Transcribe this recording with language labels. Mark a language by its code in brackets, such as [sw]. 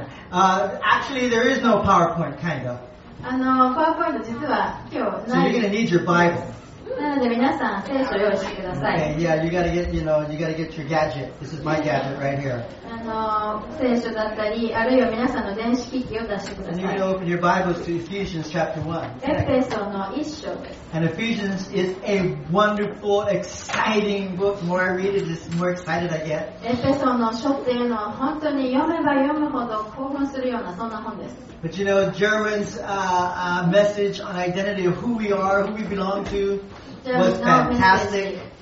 [en] Actually, there is no PowerPoint, kind of. [ja] PowerPoint 実は今日ない。 [en] So you're gonna need your Bible. [ja] なので皆さん聖書を用意してください。 [en] Okay, yeah, you gotta get your gadget. This is my gadget right here. [ja] 聖書だったり、あるいは皆さんの電子機器を出してください。 [en] And you can open your Bibles to Ephesians chapter 1. [ja] エペソの一章です。 [en] And Ephesians is a wonderful, exciting book. The more I read it, the more excited I get. [ja] エペソの書っていうのは本当に読めば読むほど興奮するようなそんな本です。 [en] But you know, Jerwin's message on identity of who we are, who we belong to, was fantastic.